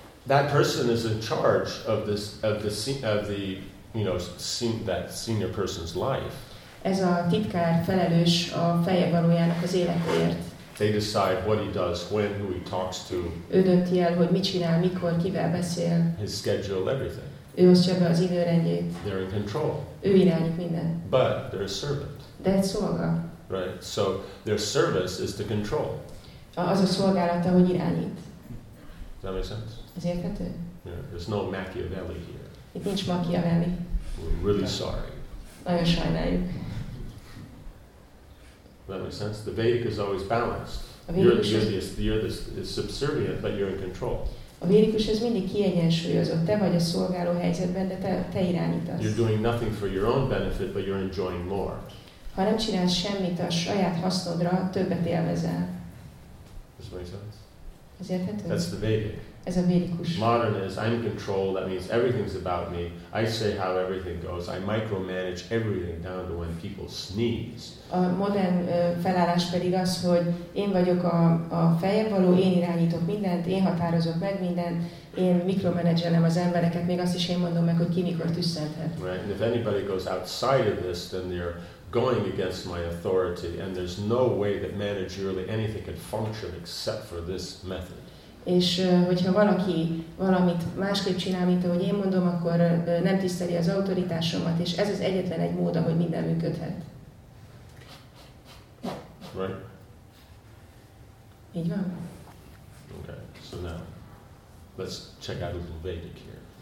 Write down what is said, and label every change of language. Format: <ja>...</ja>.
<en>That person is in charge of this of the you know, that senior person's life.</en> <hu>Ez a titkár felelős a feljebbvalójának az életéért.</hu> <en>They decide what he does, when, who he talks to.</en> <hu>Ő dönti el, hogy mit csinál, mikor, kivel beszél.</hu> <en>His schedule, everything.</en> <hu>Ő osztja be az időrendjét.</hu> <en>They're in control.</en> <hu>Ő irányít mindent.</hu> <en>But they're a servant.</en> <hu>De egy szolga.</hu> <en>Right. So their service is to control.</en> <hu>Az a szolgálata, hogy irányít.</hu> <en>Does that make sense?</en> <hu>Ez érthető?</hu> <en>Yeah. There's no Machiavelli here.</en> <hu>Itt nincs Machiavelli.</hu> <en>We're really sorry.</en> <hu>Nagyon sajnáljuk.</hu> <en>That makes sense. The Vedic is always balanced. You're the subservient, but you're in control.</en> <hu>A védikus ez mindig kiegyensúlyozott. Te vagy a szolgáló helyzetben, de te irányítasz.</hu> <en>You're doing nothing for your own benefit, but you're enjoying more.</en> <hu>Ha nem csinálsz semmit a saját hasznodra, többet élvezel.</hu> <en>This makes sense.</en> <hu>Ez érthető?</hu> <en>That's the Vedic.</en> <hu>Ez a védikus.</hu> <en>Modern is I'm in control. That means everything's about me. I say how everything goes. I micromanage everything down to when people sneeze.</en> <hu>A modern felállás pedig az, hogy én vagyok a feljebbvaló, én irányítok mindent, én határozok meg mindent, én mikromanagelem az embereket, még azt is én mondom meg, hogy ki mikor tüsszenthet.</hu> <en>Right. And if anybody goes outside of this, then they're going against my authority, and there's no way that managerially anything can function except for this method.</en> <hu>És hogyha valaki valamit másképp csinál, mint ahogy én mondom, akkor nem tiszteli az autoritásomat, és ez az egyetlen egy mód, ahogy minden működhet.</hu> <en>Right?</en> <hu>Így van.</hu> <en>Okay, so now, let's check out a little Vedic here.</en>